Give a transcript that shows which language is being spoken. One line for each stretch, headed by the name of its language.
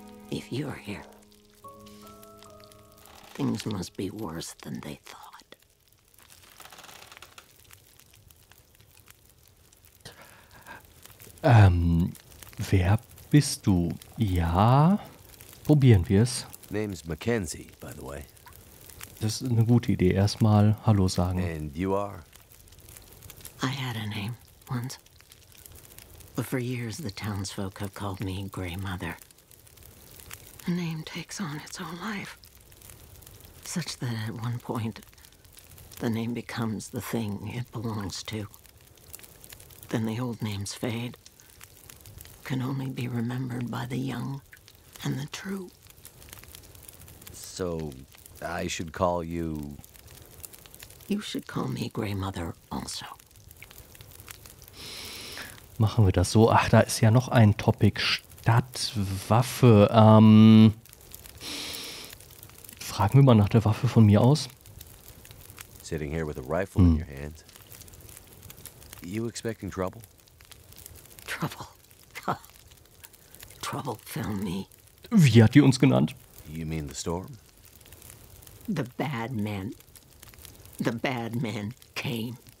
English: If you're here, things must be worse than they thought.
German: Wer bist du? Ja, probieren wir's.
English: Name's Mackenzie, by the way.
German: Das ist eine gute Idee, erstmal Hallo sagen.
English: And you are? I had a name once. But for years, the townsfolk have called me Grey Mother. A name takes on its own life. Such that at one point, the name becomes the thing it belongs to. Then the old names fade. Can only be remembered by the young and the true. So, I should call you... You should call me Grey Mother also.
German: Machen wir das so. Ach, da ist ja noch ein Topic. Stadtwaffe. Fragen wir mal nach der Waffe von mir aus.
English: Sitting here with a rifle in your hands. You expecting trouble? Trouble. Trouble found me.
German: Wie hat die uns genannt?
English: You mean the storm? The bad men. The bad men came.